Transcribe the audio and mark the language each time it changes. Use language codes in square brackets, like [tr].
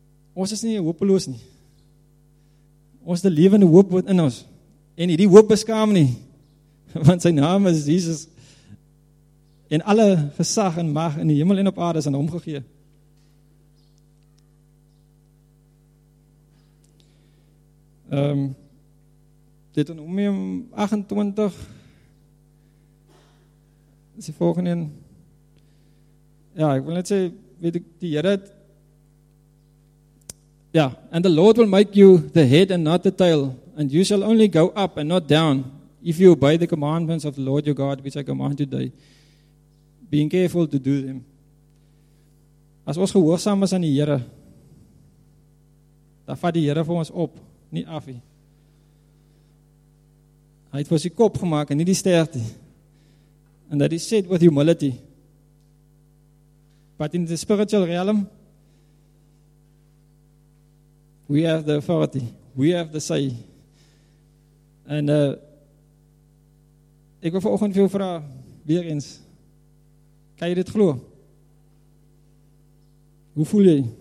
[af] Ons is nie hopeloos nie. Ons is die lewende hoop wat in ons. en hy die hoop beskaam nie, want sy naam is Jesus, en alle gesag en mag in die hemel en op aarde is aan hom gegee. Deuteronomium 28 is die volgende een. Ja, ek wil net sê, weet ek, die Here het, ja, [en] and the Lord will make you the head and not the tail, and you shall only go up and not down, if you obey the commandments of the Lord your God, which I command today, being careful to do them. [af] As ons gehoorsaam is aan die Here, dan vat die Here vir ons op, nie af nie. Hy het vir sy kop gemaakt en nie die sterkte. [en] And that is said with humility. But in the spiritual realm, we have the authority. We have the say. [af] And ek wil vanoggend vir jou vra, weer eens, kan jy dit glo? Hoe voel jy?